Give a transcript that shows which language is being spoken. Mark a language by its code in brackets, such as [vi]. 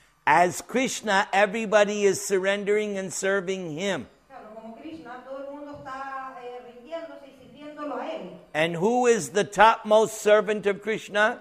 [en] As Krishna, everybody is surrendering and serving him. [es] Claro, como Krishna, todo el mundo está rindiéndose y sirviéndolo a él. [en] And who is the topmost servant of Krishna?